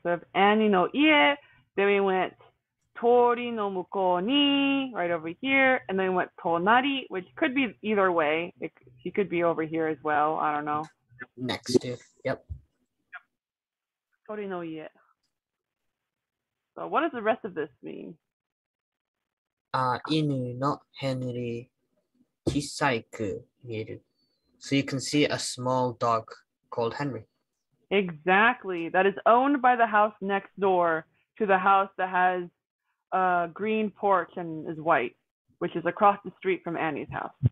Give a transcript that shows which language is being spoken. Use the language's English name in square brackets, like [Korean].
[English] So if [Japanese] Annie の家、 [English] then we went [Japanese] 通りの向こうに、 [English] right over here, and then we went 隣, which could be either way. She could be over here as well. I don't know. Next to. Yep. [Japanese] 通りの家。 [English] So what does the rest of this mean? [Japanese] 犬のヘンリー小さく見る。 [English] So you can see a small dog called Henry. Exactly. That is owned by the house next door to the house that has a green porch and is white, which is across the street from Annie's house.